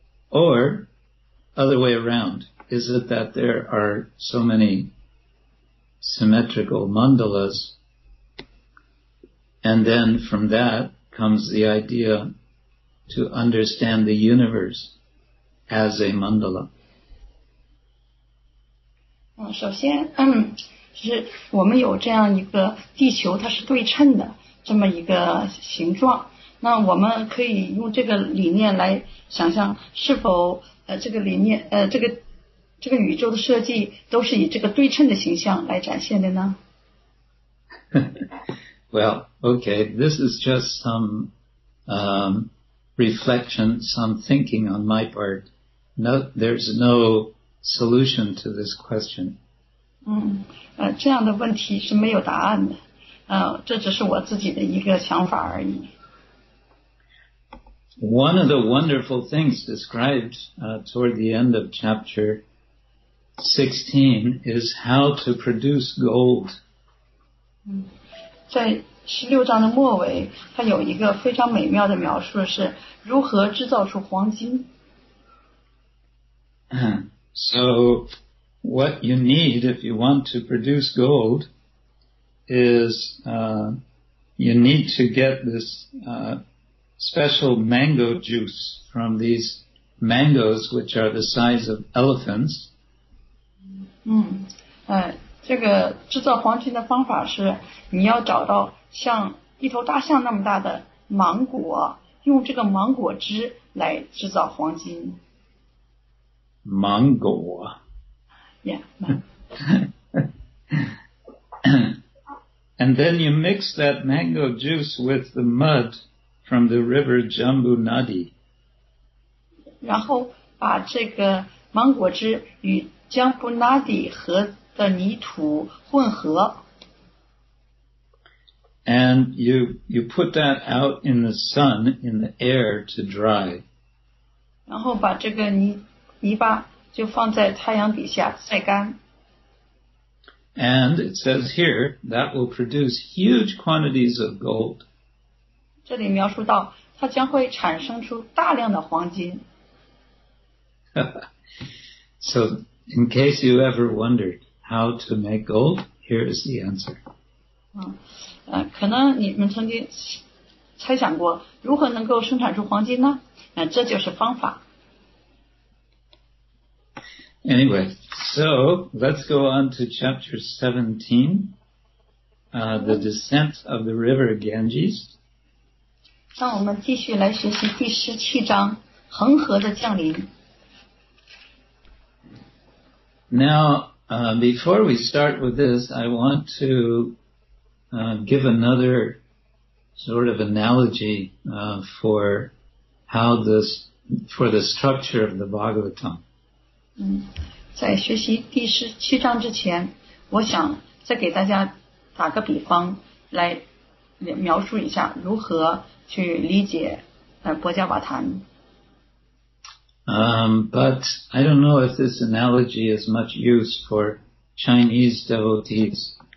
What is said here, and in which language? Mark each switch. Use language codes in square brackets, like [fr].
[en] Or, other way around, is it that there are so many symmetrical mandalas, and then from that,comes the idea to understand the universe as a mandala. [zh] 首先，就是我们有这样一个地球，它是对称的这么一个形状。那我们可以用这个理念来想象，是否这个理念这个宇宙的设计都是以这个对称的形象来展现的呢？ [en] Well, okay, this is just some, reflection, some thinking on my part. No, there's no solution to this question. [zh] 这样的问题是没有答案的。这只是我自己的一个想法而已。 [en] One of the wonderful things described, toward the end of chapter 16 is how to produce gold. [zh] 在十六章的末尾，它有一个非常美妙的描述，是如何制造出黄金。 [en] So, what you need if you want to produce gold is, you need to get this, special mango juice from these mangoes, which are the size of elephants. [zh] 这个制造黄金的方法是，你要找到像一头大象那么大的芒果，用这个芒果汁来制造黄金。芒果。 [en] Yeah. And then you mix that mango juice with the mud from the river Jambu Nadi. [zh] 然后把这个芒果汁与姜布拉底和的泥土混合。 [en] And you put that out in the sun, in the air to dry. [zh] 然后把这个泥巴就放在太阳底下晒干。 [en] And it says here, that will produce huge quantities of gold. [zh] 这里描述到它将会产生出大量的黄金。 [en] So, in case you ever wondered how to make gold, here is the answer. [zh] 可能你们曾经猜想过如何能够生产出黄金呢？这就是方法。 [en] Anyway, so let's go on to chapter 17, the descent of the river Ganges. [zh] 让我们继续来学习第十七章，恒河的降临。 [en] Now, before we start with this, I want to give another sort of analogy for the structure of the Bhagavatam. [zh] 在学习第十七章之前，我想再给大家打个比方，来描述一下如何去理解波迦瓦坛。 [en] But I don't know if this analogy is much use for Chinese devotees.